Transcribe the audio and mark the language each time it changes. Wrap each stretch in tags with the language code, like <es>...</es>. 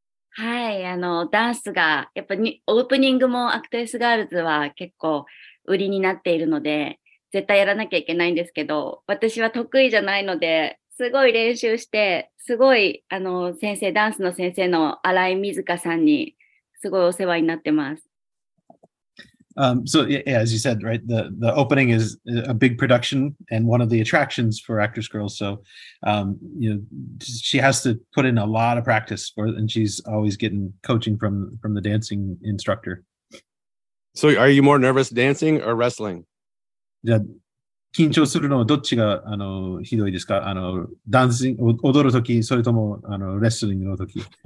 <ja>はい、あのダンスがやっぱオープニングもアクトレスガールズは結構売りになっているので絶対やらなきゃいけないんですけど、私は得意じゃないのですごい練習して、すごいあの先生、ダンスの先生の新井瑞香さんにすごいお世話になってます。</ja> <en>So yeah, as you said, right, the opening is a big production and one of the attractions for Actwres Girls. So, you know, she has to put in a lot of practice for, and she's always getting coaching from the dancing instructor. So are you more nervous dancing or wrestling?</en> <ja>Yeah, 緊張するのはどっちがあのひどいですか？あのダンシング踊るとき、それともあのレスリングのとき？</ja>